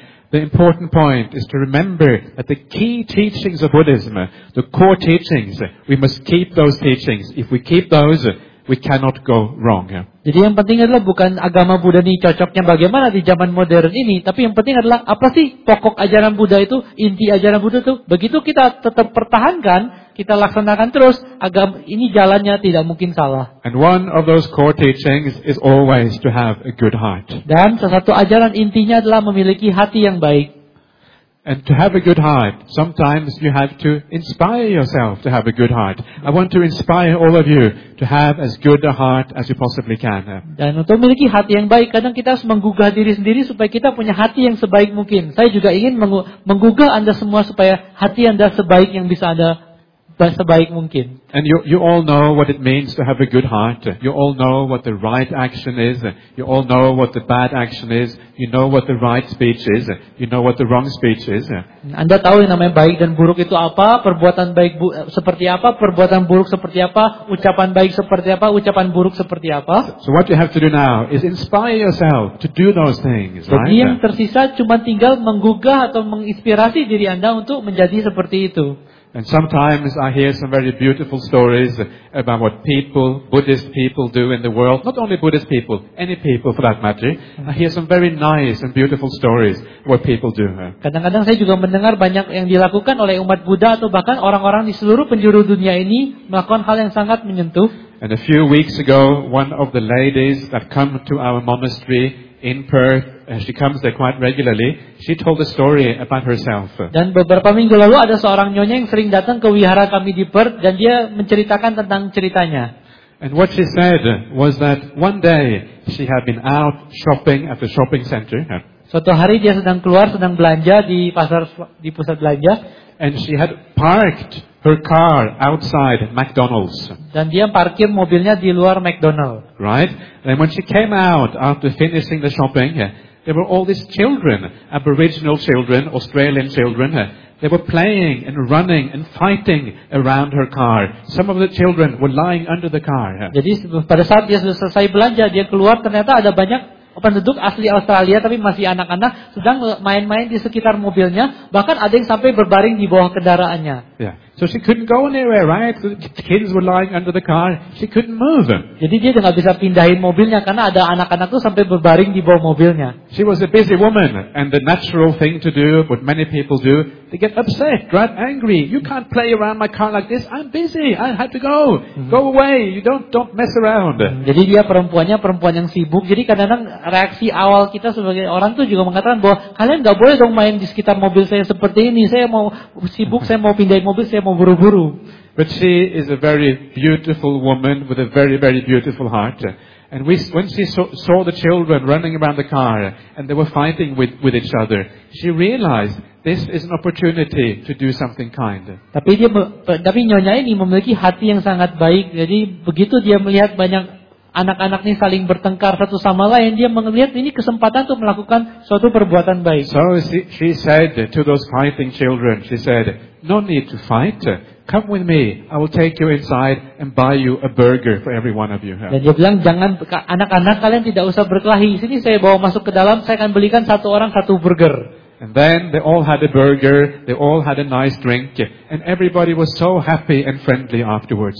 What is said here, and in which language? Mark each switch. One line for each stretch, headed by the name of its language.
English: The important point is to remember that the key teachings of Buddhism, the core teachings, we must keep those teachings. If we keep those, we cannot go wrong.
Indonesian: Jadi yang penting adalah bukan agama Buddha ini cocoknya bagaimana di zaman modern ini, tapi yang penting adalah apa sih pokok ajaran Buddha itu, inti ajaran Buddha itu. Begitu kita tetap pertahankan, kita laksanakan terus, agama ini jalannya tidak mungkin salah.
English: And one of those core teachings is always to have a good heart.
Indonesian: Dan salah satu ajaran intinya adalah memiliki hati yang baik.
English: And to have a good heart, sometimes you have to inspire yourself to have a good heart. I want to inspire all of you to have as good a heart as you possibly can.
Indonesian: Dan untuk memiliki hati yang baik, kadang kita harus menggugah diri sendiri supaya kita punya hati yang sebaik mungkin. Saya juga ingin menggugah Anda semua supaya hati Anda sebaik yang bisa Anda, sebaik mungkin.
English: And you all know what it means to have a good heart. You all know what the right action is. You all know what the bad action is. You know what the right speech is. You know what the wrong speech is.
Indonesian: Anda tahu yang namanya baik dan buruk itu apa? Perbuatan baik seperti apa? Perbuatan buruk seperti apa? Ucapan baik seperti apa? Ucapan buruk seperti apa?
English: So what you have to do now is inspire yourself to do those things, right?
Indonesian: Jadi yang tersisa cuma tinggal menggugah atau menginspirasi diri Anda untuk menjadi seperti itu.
English: And sometimes I hear some very beautiful stories about what people, Buddhist people do in the world. Not only Buddhist people, any people for that matter. I hear some very nice and beautiful stories what people do.
Indonesian: Kadang-kadang saya juga mendengar banyak yang dilakukan oleh umat Buddha atau bahkan orang-orang di seluruh penjuru dunia ini melakukan hal yang sangat menyentuh.
English: And a few weeks ago, one of the ladies that come to our monastery in Perth, she comes there quite regularly. She told a story about herself.
Indonesian: Dan beberapa minggu lalu ada seorang nyonya yang sering datang ke wihara kami di Perth, dan dia menceritakan tentang ceritanya.
English: And what she said was that one day she had been out shopping at the shopping center.
Indonesian: Suatu hari dia sedang keluar, sedang belanja di pasar, di pusat belanja.
English: And she had parked her car outside McDonald's.
Indonesian: Dan dia parkir mobilnya di luar McDonald's.
English: Right? And when she came out after finishing the shopping, there were all these children, Aboriginal children, Australian children. They were playing and running and fighting around her car. Some of the children were lying under the car.
Indonesian: Jadi pada saat dia sudah selesai belanja, dia keluar, ternyata ada banyak penduduk asli Australia tapi masih anak-anak sedang main-main di sekitar mobilnya, bahkan ada yang sampai berbaring di bawah kendaraannya.
English: Yeah. So she couldn't go anywhere, right? The kids were lying under the car. She couldn't move.
Indonesian: Jadi dia enggak bisa pindahin mobilnya karena ada anak-anak tuh sampai berbaring di bawah mobilnya.
English: She was a busy woman, and the natural thing to do, what many people do, they get upset, right? Angry. You can't play around my car like this. I'm busy. I have to go. Go away. You don't mess around.
Indonesian: Jadi dia perempuan yang sibuk. Jadi kadang-kadang reaksi awal kita sebagai orang tuh juga mengatakan bahwa kalian enggak boleh dong main di sekitar mobil saya seperti ini. Saya mau sibuk, saya mau pindahin mobil.
English: But she is a very beautiful woman with a very, very beautiful heart. And when she saw the children running around the car and they were fighting with each other, she realized this is an opportunity to do something kind.
Indonesian: Tapi nyonya ini memiliki hati yang sangat baik. Jadi begitu dia melihat banyak anak-anak ini saling bertengkar satu sama lain, dia melihat ini kesempatan untuk melakukan suatu perbuatan baik.
English: So she said to those fighting children, she said, "No need to fight. Come with me. I will take you inside and buy you a burger for every one of you."
Indonesian: Dan dia bilang, "Jangan anak-anak, kalian tidak usah berkelahi. Sini saya bawa masuk ke dalam, saya akan belikan satu orang satu burger."
English: And then they all had a burger, they all had a nice drink, and everybody was so happy and friendly afterwards.